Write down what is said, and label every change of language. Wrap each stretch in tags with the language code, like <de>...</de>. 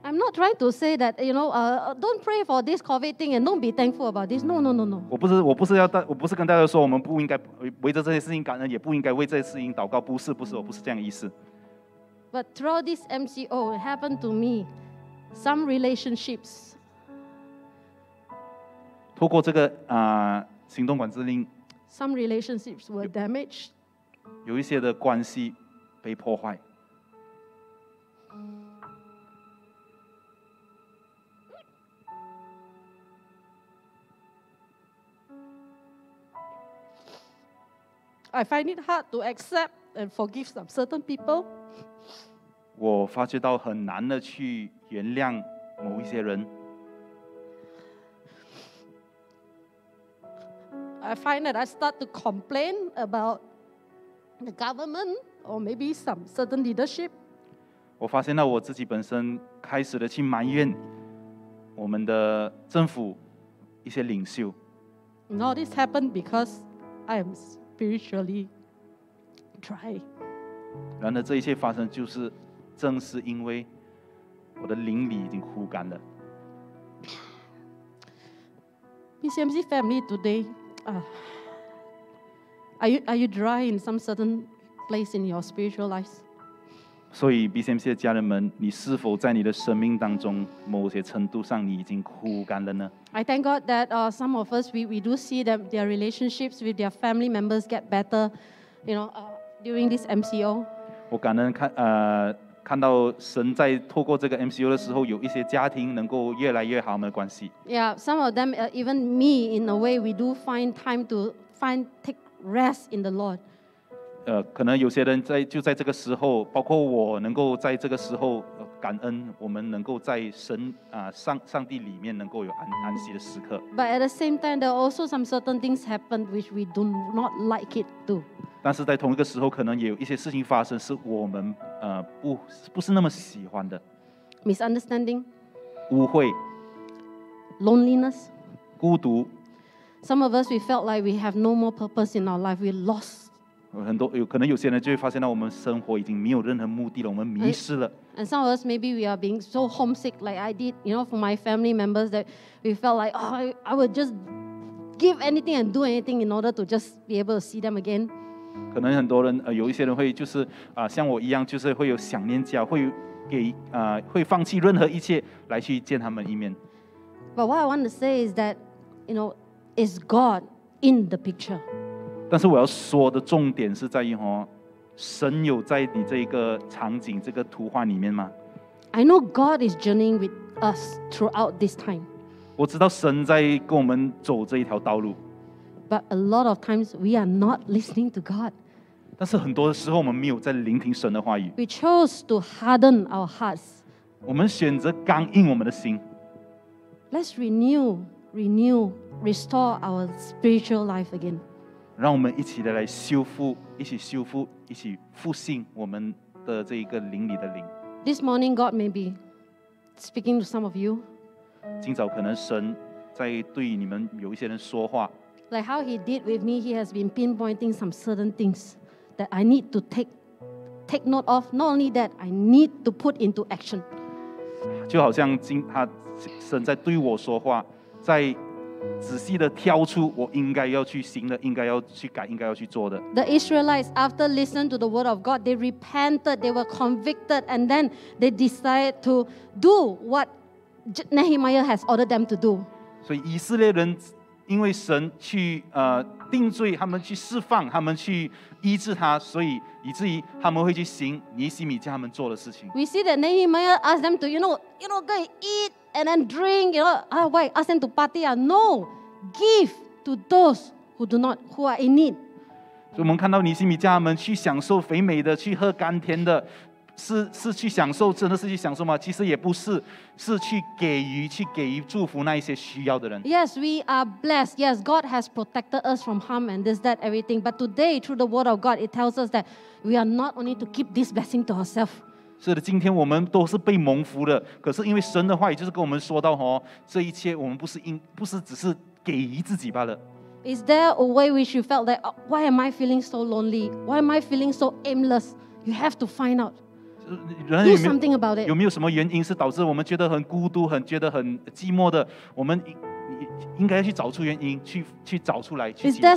<en>I'm not trying to say that you know don't pray for this COVID thing and don't be thankful about this. No.</en> <zh>我不是跟大家说我们不应该为着这些事情感恩，也不应该为这些事情祷告。不是，我不是这样的意思。</zh> <en>But throughout this MCO, it happened to me some relationships.</en> <zh>透过这个行动管制令</zh> <en>，some relationships were damaged，</en> <zh>有一些的关系被破坏。</zh> <en>I find it hard to accept and forgive some certain people。</en> <zh>我发觉到很难的去原谅某一些人。</zh> <en>I find that I start to complain about the government or maybe some certain leadership.</en> <zh>我发现到我自己本身开始的去埋怨我们的政府一些领袖。</zh> <en>And all this happened because I am spiritually dry.</en> <zh>然而这一切发生就是正是因为我的灵里已经枯干了。</zh> <en>BCMC family today. Are you dry in some certain place in your spiritual life?</en> <zh>所以 BCMC 的家人们，你是否在你的生命当中某些程度上你已经枯干了呢？</zh> <en>I thank God that some of us we do see that their relationships with their family members get better, you know, during this MCO.</en> <zh>我感恩看到神在透过这个 MCO 的时候，有一些家庭能够越来越好我们的关系。</zh> <en>Yeah, some of them, even me, in a way, we do find time to find take rest in the Lord.</en> <zh>可能有些人就在这个时候，包括我能够在这个时候感恩，我们能够在神上帝里面能够有安息的时刻。</zh> <en>But at the same time, there are also some certain things happen which we do not like it to.</en> <zh>但是在同一个时候，可能也有一些事情发生，是我们不是那么喜欢的。</zh> <en>Misunderstanding，</en> <zh>误会。</zh> <en>Loneliness，</en> <zh>孤独。</zh> <en>Some of us we felt like we have no more purpose in our life. We lost.</en> <zh>很多有可能有些人就会发现到我们生活已经没有任何目的了，我们迷失了。</zh> <en>And some of us maybe we are being so homesick, like I did, you know, for my family members that we felt like oh, I would just give anything and do anything in order to just be able to see them again.</en> <zh>可能很多人有一些人会就是像我一样，就是会有想念家，会给会放弃任何一切来去见他们一面。</zh> <en>But what I want to say is that, you know, is God in the picture?</en> <zh>但是我要说的重点是在于哦，神有在你这个场景这个图画里面吗</zh> <en>？I know God is journeying with us throughout this time.</en> <zh>我知道神在跟我们走这一条道路。</zh> <en>But a lot of times we are not listening to God.</en> <zh>但是很多的时候我们没有在聆听神的话语。</zh> <en>We chose to harden our hearts.</en> <zh>我们选择刚硬我们的心。</zh> <en>Let's renew, restore our spiritual life again.</en> <zh>让我们一起的来修复，一起修复，一起复兴我们的这一个灵里的灵。</zh> <en>This morning, God may be speaking to some of you.</en> <zh>今早可能神在对你们有一些人说话。</zh> <en>Like how he did with me, he has been pinpointing some certain things that I need to take note of. Not only that, I need to put into action.</en> <zh>就好像神在对我说话，在仔细的挑出我应该要去行的，应该要去改，应该要去做的。</zh> <en>The Israelites, after listening to the word of God, they repented, they were convicted, and then they decided to do what Nehemiah has ordered them to do.</en> <zh>所以以色列人因为神去定罪，他们去释放，他们去医治他，所以以至于他们会去行尼西米叫他们做的事情。</zh> <en>We see that Nehemiah asked them to, you know, go and eat and then drink, you know, why ask them to party? No, give to those who do not, who are in need.</en> <zh>所以我们看到尼西米叫他们去享受肥美的，去喝甘甜的。是去享受，真的是去享受吗？其实也不是，是去给予祝福那一些需要的人。</zh> <en>Yes, we are blessed. Yes, God has protected us from harm and this, that, everything. But today, through the word of God, it tells us that we are not only to keep this blessing to ourselves.</en> <zh>是的，今天我们都是被蒙福的。可是因为神的话语就是跟我们说到哦，这一切我们不是只是给予自己罢了。</zh> <en>Is there a way which you felt that, oh, why am I feeling so lonely? Why am I feeling so aimless? You have to find out. Do something about it.</en> <zh>有没有什么原因是导致我们觉得很孤独，很觉得很寂寞的？我们应该去找出原因，去找出来，去解决它。</zh>